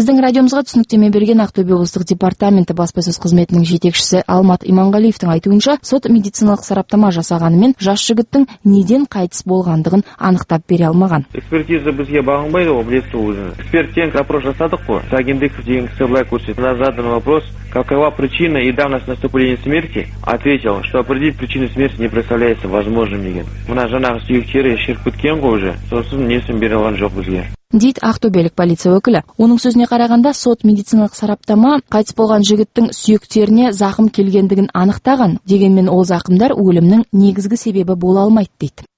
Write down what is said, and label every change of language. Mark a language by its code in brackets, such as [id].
[kk] Біздің радиомызға түсініктеме берген Ақтөбе облыстық департаменті баспасөз қызметінің жетекшісі Алмат Иманғалиевтің айтуынша, сот медициналық сараптама жасағанымен жас жігіттің неден қайтыс болғандығын анықтап бере алмаған. Экспертиза бізге бағынбайды, ол білесіз өзіңіз. Эксперттен опрос жасадық қой, Сагендеков деген кісі былай көрсетті. [ru] На заданный вопрос, какова причина и давность наступления смерти, ответил, что определить причину смерти не представляется возможным [kk] деген. Мына жаңағы сүйектері шіріп кеткен ғой уже, сосын есін бере алған жоқ бізге. Дейт ақтөбелік полиция өкілі. Оның сөзіне қарағанда, сот медициналық сараптама қайтыс болған жігіттің сүйектеріне зақым келгендігін анықтаған, дегенмен ол зақымдар өлімнің негізгі себебі бола алмайды дейді.